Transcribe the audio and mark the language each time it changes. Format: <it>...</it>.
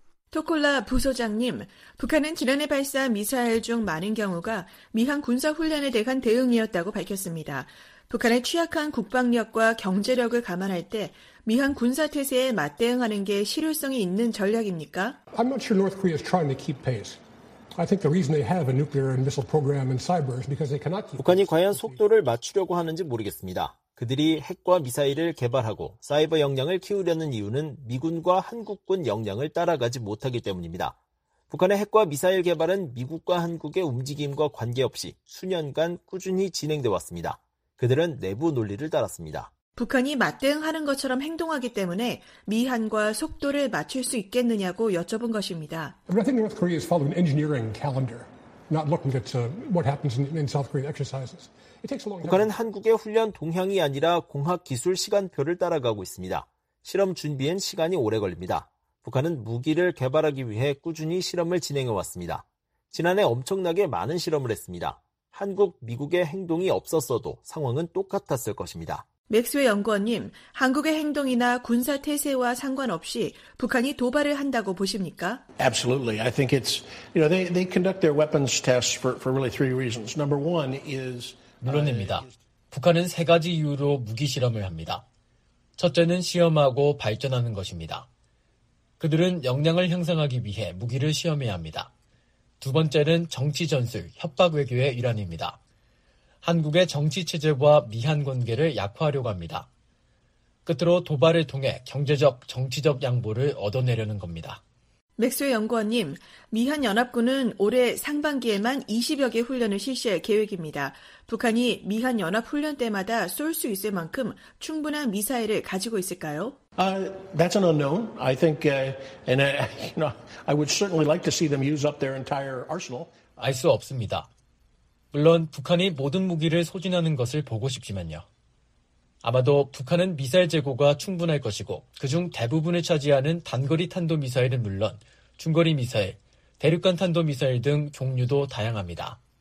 <ko>토콜라 부소장님, 북한은 지난해 발사한 미사일 중 많은 경우가 미한 군사훈련에 대한 대응이었다고 밝혔습니다. 북한의 취약한 국방력과 경제력을 감안할 때 미한 군사태세에 맞대응하는 게 실효성이 있는 전략입니까?</ko> <en>I'm not sure North Korea is trying to keep pace. I think the reason they have a nuclear and missile program and cyber is because they cannot keep pace.</en> <ko>북한이 과연 속도를 맞추려고 하는지 모르겠습니다. 그들이 핵과 미사일을 개발하고 사이버 역량을 키우려는 이유는 미군과 한국군 역량을 따라가지 못하기 때문입니다. 북한의 핵과 미사일 개발은 미국과 한국의 움직임과 관계없이 수년간 꾸준히 진행돼 왔습니다. 그들은 내부 논리를 따랐습니다. 북한이 맞대응하는 것처럼 행동하기 때문에 미한과 속도를 맞출 수 있겠느냐고 여쭤본 것입니다.</ko> <en>I think North Korea is following engineering calendar, not looking at what happens in South Korean exercises.</en> <ko>북한은 한국의 훈련 동향이 아니라 공학 기술 시간표를 따라가고 있습니다. 실험 준비엔 시간이 오래 걸립니다. 북한은 무기를 개발하기 위해 꾸준히 실험을 진행해왔습니다. 지난해 엄청나게 많은 실험을 했습니다. 한국, 미국의 행동이 없었어도 상황은 똑같았을 것입니다. 맥스웰 연구원님, 한국의 행동이나 군사 태세와 상관없이 북한이 도발을 한다고 보십니까?</ko> <en>Absolutely. I think it's, you know, they conduct their weapons tests for really three reasons. Number one is</en> <ko>물론입니다. 북한은 세 가지 이유로 무기 실험을 합니다. 첫째는 시험하고 발전하는 것입니다. 그들은 역량을 향상하기 위해 무기를 시험해야 합니다. 두 번째는 정치 전술, 협박 외교의 일환입니다. 한국의 정치 체제와 미한 관계를 약화하려고 합니다. 끝으로 도발을 통해 경제적, 정치적 양보를 얻어내려는 겁니다. 맥스웰 연구원님, 미한 연합군은 올해 상반기에만 20여 개 훈련을 실시할 계획입니다. 북한이 미한 연합 훈련 때마다 쏠 수 있을 만큼 충분한 미사일을 가지고 있을까요?</ko> <en>That's an unknown. I think and you know, I would certainly like to see them use up their entire arsenal.</en> <ko>알 수 없습니다. 물론 북한이 모든 무기를 소진하는 것을 보고 싶지만요. 아마도 북한은 미사일 재고가 충분할 것이고 그중 대부분을 차지하는 단거리 탄도미사일은 물론 중거리 미사일, 대륙간 탄도미사일 등 종류도 다양합니다.</ko>